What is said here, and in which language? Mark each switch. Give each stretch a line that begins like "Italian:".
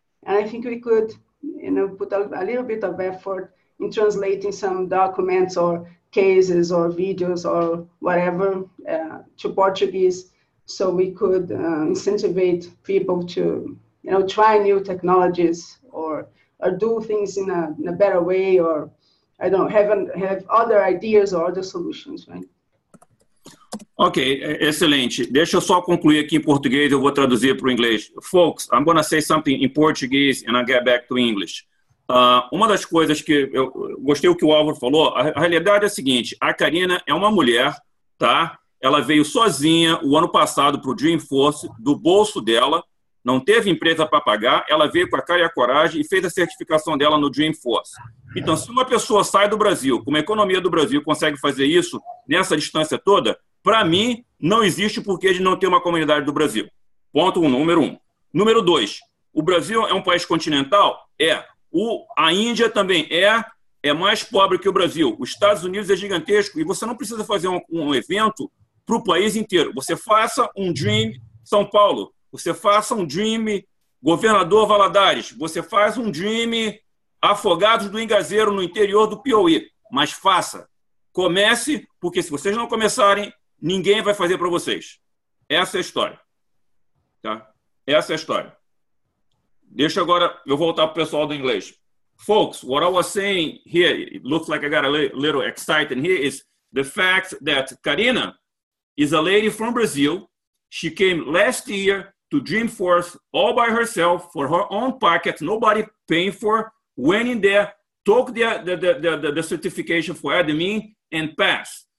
English: I think we could, you know, put a little bit of effort in translating some documents or cases or videos or whatever to Portuguese, so we could incentivize people to, you know, try new technologies or do things in a better way, or I don't know, have other ideas or other solutions, right?
Portuguese: Ok, excelente. Deixa eu só concluir aqui em português, eu vou traduzir para o inglês.
English: Folks, I'm going to say something in Portuguese and I'll get back to English.
Portuguese: Uma das coisas que eu gostei do que o Álvaro falou, a realidade é a seguinte, a Karina é uma mulher, tá? Ela veio sozinha o ano passado para o Dreamforce, do bolso dela, não teve empresa para pagar, ela veio com a cara e a coragem e fez a certificação dela no Dreamforce. Então, se uma pessoa sai do Brasil, com uma economia do Brasil, consegue fazer isso nessa distância toda, para mim, não existe porquê de não ter uma comunidade do Brasil. Ponto número um. Número dois, o Brasil é um país continental? É. A Índia também é mais pobre que o Brasil. Os Estados Unidos é gigantesco e você não precisa fazer um evento para o país inteiro. Você faça um Dream São Paulo. Você faça um Dream Governador Valadares. Você faz um Dream Afogados do Ingazeiro no interior do Piauí. Mas faça. Comece, porque se vocês não começarem, ninguém vai fazer para vocês. Essa é a história. Tá? Essa é a história. Deixa agora eu voltar para o pessoal do inglês.
English: Folks, what I was saying here, it looks like I got a little excited here, is the fact that Karina is a lady from Brazil. She came last year to Dreamforce all by herself for her own pocket, nobody paying for, went in there, took the certification for admin, and passed.